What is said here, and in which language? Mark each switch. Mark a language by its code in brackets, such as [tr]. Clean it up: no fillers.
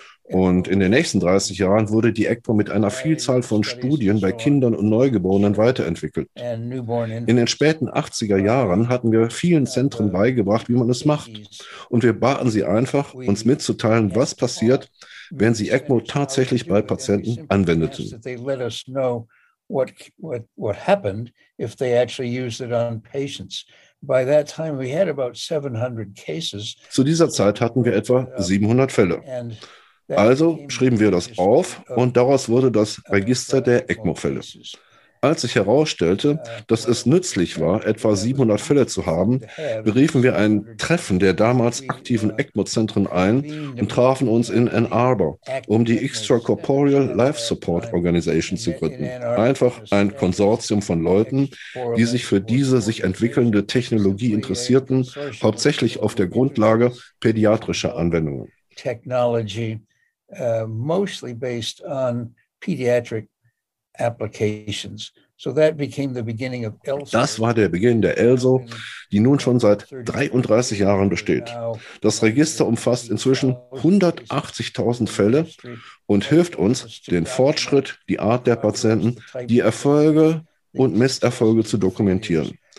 [de] Und in den nächsten 30 Jahren wurde die ECMO mit einer Vielzahl von Studien bei Kindern und Neugeborenen weiterentwickelt. In den späten 80er Jahren hatten wir vielen Zentren beigebracht, wie man es macht. Und wir baten sie einfach, uns mitzuteilen, was passiert, wenn sie ECMO tatsächlich bei Patienten anwendeten. [en] What happened if they actually used it on patients. By that time we had about 700 cases. [de] Zu dieser Zeit hatten wir etwa 700 Fälle. Also schrieben wir das auf und daraus wurde das Register der ECMO-Fälle. Als sich herausstellte, dass es nützlich war, etwa 700 Fälle zu haben, beriefen wir ein Treffen der damals aktiven ECMO-Zentren ein und trafen uns in Ann Arbor, um die Extracorporeal Life Support Organization zu gründen. Einfach ein Konsortium von Leuten, die sich für diese sich entwickelnde Technologie interessierten, hauptsächlich auf der Grundlage pädiatrischer Anwendungen. [en] Technology, mostly based on pediatric applications. So that became the beginning of ELSO. [de] Das war der Beginn der ELSO, die nun schon seit 33 Jahren besteht. Das Register umfasst inzwischen 180.000 Fälle und hilft uns, den Fortschritt, die Art der Patienten, die Erfolge und Misserfolge zu dokumentieren.